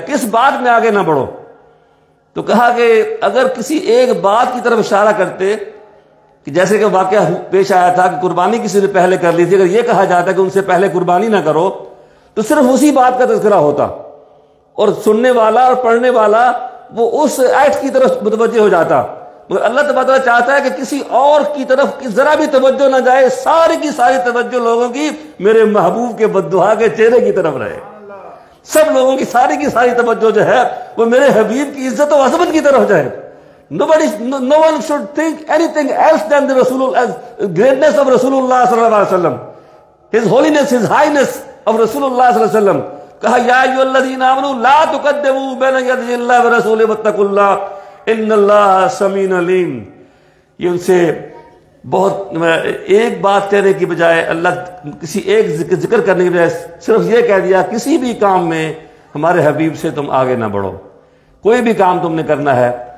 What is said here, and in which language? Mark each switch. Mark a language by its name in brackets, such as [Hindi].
[Urdu] کس بات میں آگے نہ بڑھو, تو کہا کہ اگر کسی ایک بات کی طرف اشارہ کرتے, کہ جیسے کہ واقعہ پیش آیا تھا کہ قربانی کسی نے پہلے کر لی تھی, اگر یہ کہا جاتا کہ ان سے پہلے قربانی نہ کرو تو صرف اسی بات کا تذکرہ ہوتا, اور سننے والا اور پڑھنے والا وہ اس ایکٹ کی طرف متوجہ ہو جاتا. مگر اللہ تبارک چاہتا ہے کہ کسی اور کی طرف ذرا بھی توجہ نہ جائے, ساری کی ساری توجہ لوگوں کی میرے محبوب کے بددعا کے چہرے کی طرف رہے. سب لوگوں کی ساری توجہ جو ہے وہ میرے حبیب کی عزت و عظمت کی طرف جائے. [English] No one should think anything else than the greatness of Rasulullah صلی اللہ علیہ وسلم, His holiness, His highness of Rasulullah صلی اللہ علیہ وسلم. [Arabic] کہا یا ایھا الذین آمنوا لا تقدموا بین یدی اللہ ورسولہ واتقوا اللہ ان اللہ سمیع علیم. [Urdu] یہ ان سے بہت ایک بات کہنے کی بجائے, اللہ کسی ایک ذکر کرنے کی بجائے صرف یہ کہہ دیا کسی بھی کام میں ہمارے حبیب سے تم آگے نہ بڑھو, کوئی بھی کام تم نے کرنا ہے.